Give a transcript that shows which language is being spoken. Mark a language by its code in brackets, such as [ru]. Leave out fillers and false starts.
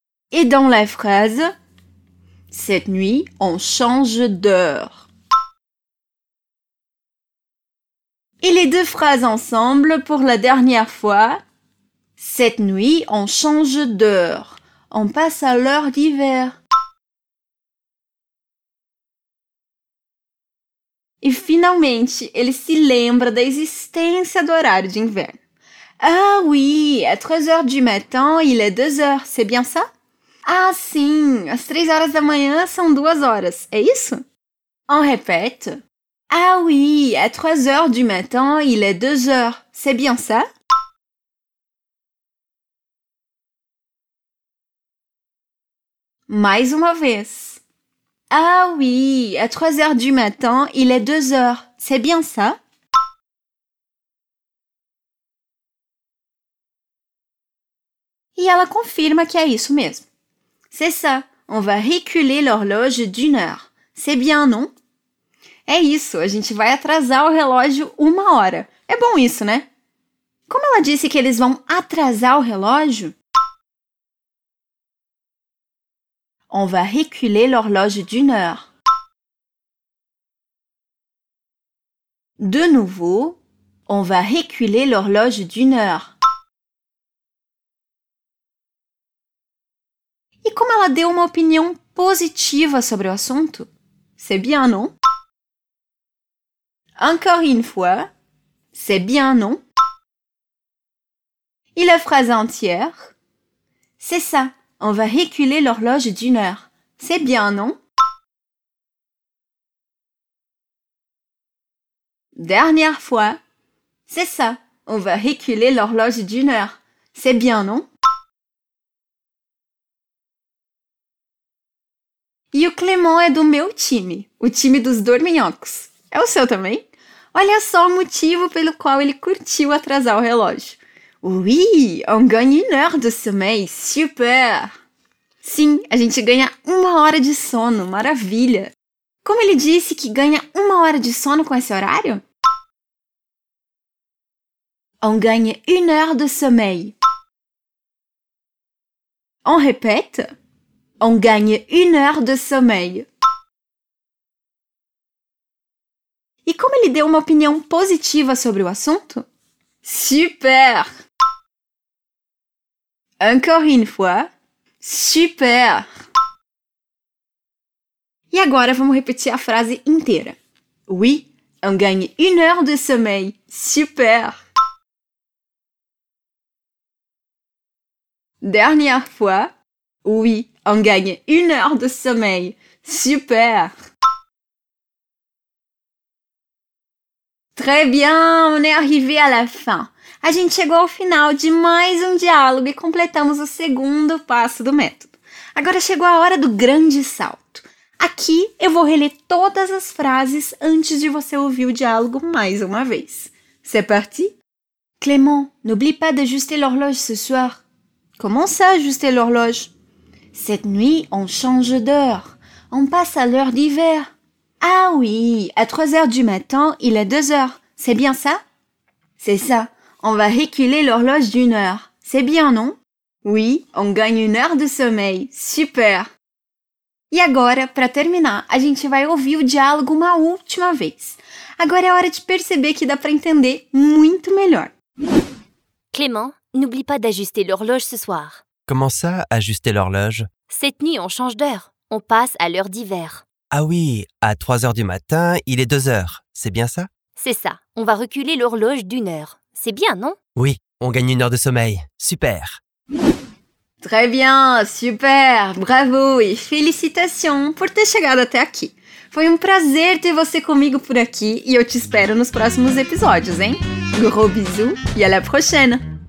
[fr] Et dans la phrase, cette nuit, on change d'heure. Et les deux phrases ensemble pour la dernière fois. Cette nuit, on change d'heure. On passe à l'heure d'hiver. [pt] E finalmente, ele se lembra da existência do horário de inverno. [fr] Ah oui, à 3h du matin, il est 2h, c'est bien ça? [pt] Ah sim, às 3h da manhã são 2h, é isso? [fr] On répète. Ah oui, à 3h du matin, il est 2h. C'est bien ça? [pt] Mais uma vez. [fr] Ah oui, à 3h du matin, il est 2h. C'est bien ça? [pt] E ela confirma que é isso mesmo. [fr] C'est ça. On va reculer l'horloge d'une heure. C'est bien, non? [pt] É isso, a gente vai atrasar o relógio uma hora. É bom isso, né? Como ela disse que eles vão atrasar o relógio? [fr] On va reculer l'horloge d'une heure. De nouveau, on va reculer l'horloge d'une heure. [pt] E como ela deu uma opinião positiva sobre o assunto? [fr] C'est bien, non? Encore une fois, c'est bien, non? Et la phrase entière? C'est ça, on va reculer l'horloge d'une heure. C'est bien, non? Dernière fois, c'est ça, on va reculer l'horloge d'une heure. C'est bien, non? [pt] E o Clément é do meu time, o time dos dorminhocos. É o seu também? Olha só o motivo pelo qual ele curtiu atrasar o relógio. [fr] Oui, on gagne une heure de sommeil, super! [pt] Sim, a gente ganha uma hora de sono, maravilha! Como ele disse que ganha uma hora de sono com esse horário? [fr] On gagne une heure de sommeil. On répète? On gagne une heure de sommeil. [pt] E como ele deu uma opinião positiva sobre o assunto? Super! [fr] Encore une fois, super! [pt] E agora vamos repetir a frase inteira. [fr] Oui, on gagne une heure de sommeil, super! Dernière fois, oui, on gagne une heure de sommeil, super! Très bien, on est arrivé à la fin. [pt] A gente chegou ao final de mais um diálogo e completamos o segundo passo do método. Agora chegou a hora do grande salto. Aqui eu vou reler todas as frases antes de você ouvir o diálogo mais uma vez. [fr] C'est parti? Clément, n'oublie pas d'ajuster l'horloge ce soir. Comment ça, ajuster l'horloge? Cette nuit, on change d'heure. On passe à l'heure d'hiver. Ah oui, à 3h du matin, il est 2h. C'est bien ça? C'est ça. On va reculer l'horloge d'une heure. C'est bien, non? Oui, on gagne une heure de sommeil. Super! [pt] E agora, para terminar, a gente vai ouvir o diálogo uma última vez. Agora é hora de perceber que dá para entender muito melhor. [fr] Clément, n'oublie pas d'ajuster l'horloge ce soir. Comment ça, ajuster l'horloge? Cette nuit, on change d'heure. On passe à l'heure d'hiver. Ah oui, à 3h du matin, il est 2h. C'est bien ça? C'est ça. On va reculer l'horloge d'une heure. C'est bien, non? Oui, on gagne une heure de sommeil. Super! Très bien, [pt] super, bravo e félicitations por ter chegado até aqui. Foi um prazer ter você comigo por aqui e eu te espero nos próximos episódios, hein? [fr] Gros bisous [pt] e [fr] à la prochaine!